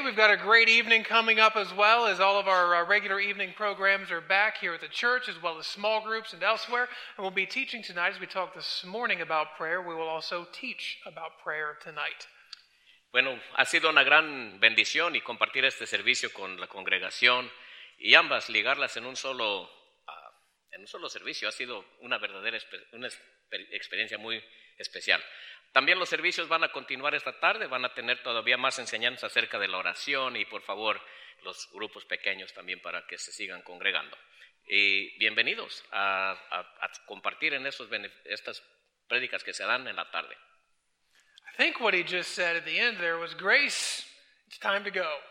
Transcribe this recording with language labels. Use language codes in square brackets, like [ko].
[en] We've got a great evening coming up as well, as all of our regular evening programs are back here at the church, as well as small groups and elsewhere. And we'll be teaching tonight, as we talked this morning about prayer. We will also teach about prayer tonight. [es] Bueno, ha sido una gran bendición y compartir este servicio con la congregación y ambas ligarlas en un solo servicio ha sido una verdadera experiencia muy especial. También los servicios van a continuar esta tarde, van a tener todavía más enseñanzas acerca de la oración y por favor los grupos pequeños también para que se sigan congregando. Y bienvenidos a compartir en estas prédicas que se dan en la tarde. [en] I think what he just said at the end there was grace, it's time to go.